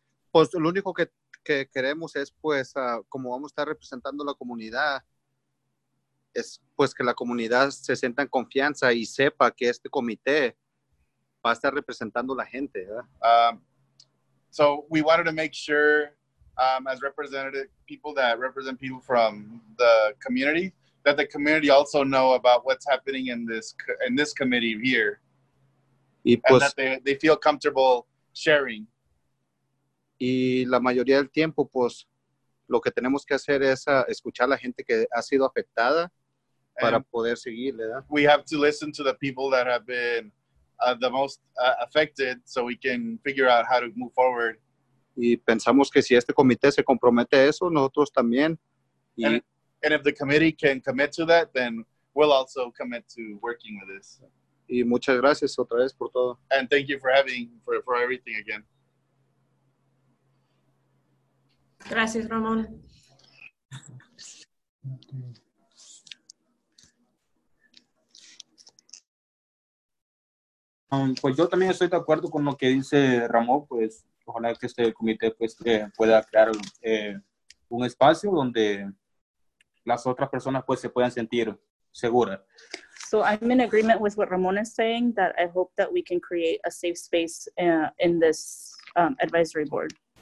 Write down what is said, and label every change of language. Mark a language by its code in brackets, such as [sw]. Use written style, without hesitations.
[es] Pues lo único que queremos es, pues, como vamos a estar representando la comunidad, es pues que la comunidad se sienta en confianza y sepa que este comité va a estar representando la gente. [en] So we wanted to make sure, as representative people that represent people from the community, that the community also know about what's happening in this committee here, [es] y pues, [en] and that they feel comfortable sharing. [es] Y la mayoría del tiempo, pues, lo que tenemos que hacer es escuchar a la gente que ha sido afectada para poder seguir, ¿verdad? [en] We have to listen to the people that have been the most affected so we can figure out how to move forward. [es] Y pensamos que si este comité se compromete a eso, nosotros también. [en] And if the committee can commit to that, then we'll also commit to working with this. [es] Y muchas gracias otra vez por todo. [en] And thank you for everything again. [es] Gracias, Ramon. Pues yo también estoy de acuerdo con lo que dice Ramón, pues ojalá que este comité pues pueda crear un espacio donde las otras personas pues se puedan sentir seguras. [en] So I'm in agreement with what Ramon is saying, that I hope that we can create a safe space in this advisory board.